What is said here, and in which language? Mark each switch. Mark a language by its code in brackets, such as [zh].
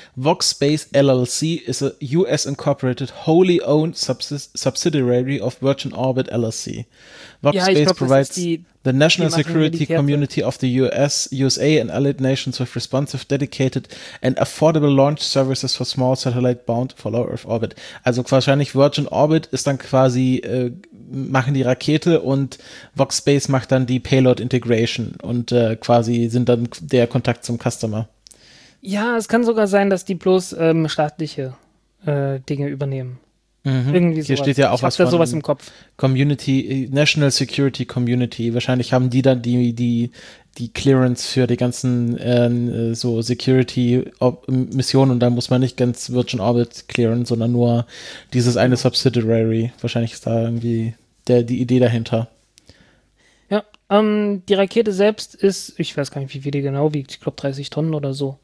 [en] VoxSpace LLC is a US incorporated wholly owned subsidiary of Virgin Orbit LLC. VoxSpace provides the national security community of the USA and allied nations with responsive, dedicated and affordable launch services for small satellite bound for low Earth orbit. [de] Also wahrscheinlich Virgin Orbit ist dann quasi, machen die Rakete und VoxSpace macht dann die Payload Integration und quasi sind dann der Kontakt zum Customer. Ja, es kann sogar sein, dass die bloß staatliche Dinge übernehmen. Mhm. Irgendwie sowas. Hier steht ja auch ich was da sowas im Kopf. [en] Community, National Security Community. [de] Wahrscheinlich haben die dann die Clearance für die ganzen so Security-Missionen und dann muss man nicht ganz Virgin Orbit clearen, sondern nur dieses eine Subsidiary. Wahrscheinlich ist da irgendwie die Idee dahinter. Ja, die Rakete selbst ist, ich weiß gar nicht, wie viel die genau wiegt, ich glaube 30 Tonnen oder so.